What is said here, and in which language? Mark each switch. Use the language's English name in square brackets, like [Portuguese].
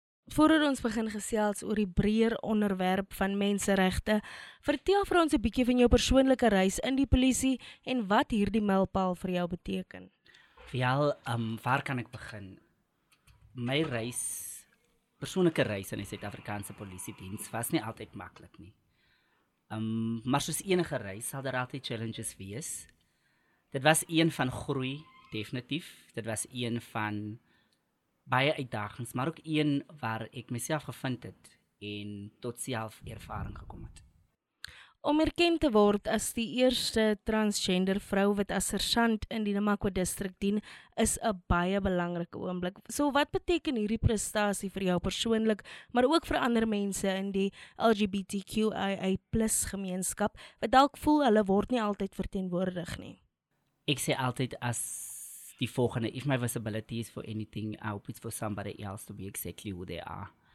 [Afrikaans] Voordat ons begin gesels oor die breër onderwerp van menseregte, vertel vir ons 'n bietjie van jou persoonlike reis in die polisie en wat hierdie mylpaal vir jou beteken. Wel, waar kan ek begin? My reis, persoonlike reis in die Suid-Afrikaanse Polisiediens was nie altyd maklik nie. Maar soos enige reis sal daar altyd challenges wees. Dit was een van groei, definitief. Dit was een van baie uitdagings, maar ook een waar ek myself gevind het en tot self ervaring gekom het. Om erken te word as die eerste transgender vrou wat as sergeant in die Namakwa distrik dien, is 'n baie belangrike oomblik. So wat beteken hierdie prestasie vir jou persoonlik, maar ook vir ander mense in die LGBTQIA+ gemeenskap, wat dalk voel hulle word nie altyd verteenwoordig nie? Ek sê altyd as die volgende, [English] if my visibility is for anything, I hope it's for somebody else to be exactly who they are.